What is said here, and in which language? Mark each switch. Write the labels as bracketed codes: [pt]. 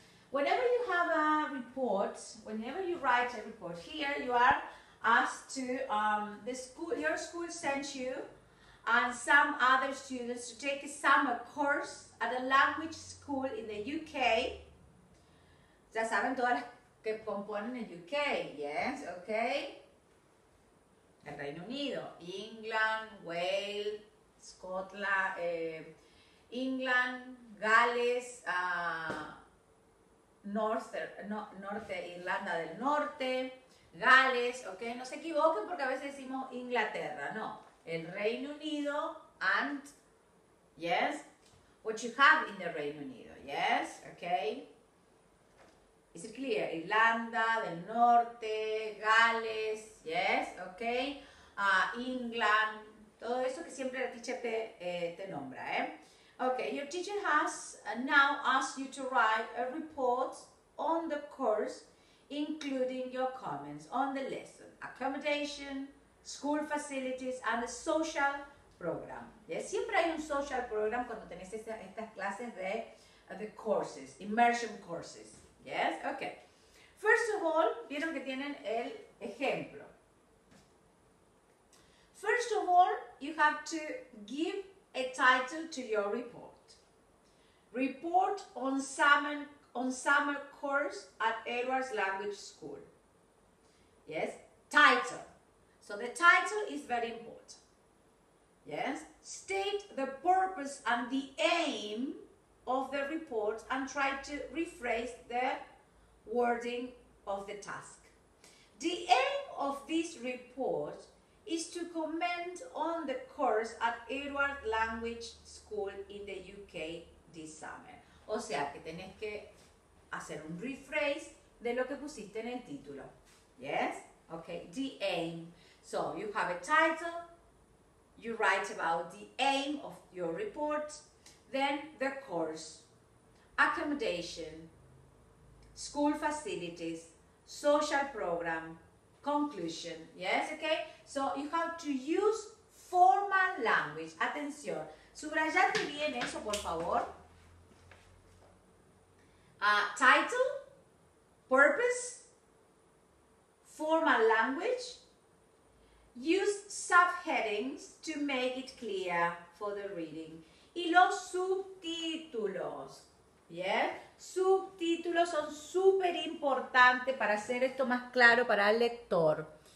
[en] Whenever you have a report, whenever you write a report, here you are asked to, your school sent you and some other students to take a summer course at a language school in the UK. [es] Ya saben todas las que componen el UK, yes, okay? El Reino Unido, England, Wales, Scotland, England, Gales, Norte, Irlanda del Norte, Gales, okay? No se equivoquen porque a veces decimos Inglaterra, no. [en] El Reino Unido and, yes, what you have in the Reino Unido, yes, okay? Is it clear? [es] Irlanda del Norte, Gales, yes, okay? England, todo eso que siempre la teacher te nombra, eh? [en] Okay, your teacher has now asked you to write a report on the course, including your comments on the lesson, accommodation, school facilities and a social program. [es] Yes, siempre hay un social program cuando tenés estas clases de [en] the courses, immersion courses. [es] Yes, okay. [en] First of all, [es] vieron que tienen el ejemplo. [en] First of all, you have to give a title to your report. Report on summer course at Edwards Language School. Yes, title. So the title is very important. Yes, state the purpose and the aim of the report and try to rephrase the wording of the task. The aim of this report is to comment on the course at Edwards Language School in the UK this summer. [es] O sea, que tenés que hacer un rephrase de lo que pusiste en el título. [en] Yes? Okay, the aim. So, you have a title, you write about the aim of your report, then the course, accommodation, school facilities, social program, conclusion, yes, okay? So, you have to use formal language. [es] Atención, subrayate bien eso, por favor. [en] Title, purpose, formal language. Use subheadings to make it clear for the reading. [es] Y los subtítulos, yeah? Subtítulos son súper importantes para hacer esto más claro para el lector.